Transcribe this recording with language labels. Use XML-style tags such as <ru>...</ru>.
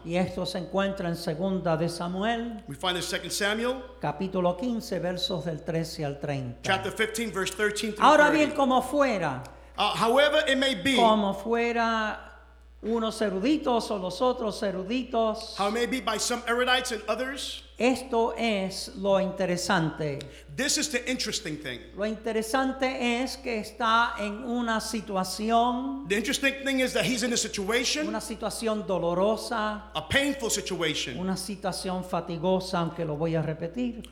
<es>Y esto se encuentra en Segunda de Samuel.</es> <en>We find in 2 Samuel.</en> <es>Capítulo 15, versos del 13 al 30.</es> <en>Chapter 15, verse 13 through 30.</en> <es>Ahora bien, como fuera.</es> <en>However it may be.</en> <es>Como fuera unos eruditos o los otros eruditos.</es> <en>How it may be by some erudites and others.</en> <es>Esto es lo interesante.</es> <en>This is the interesting thing.</en> <es>Lo interesante es que está en una situación.</es> <en>The interesting thing is that he's in a situation.</en> <es>Una situación dolorosa.</es> <en>A painful situation.</en> <es>Una situación fatigosa, aunque lo voy a repetir.</es>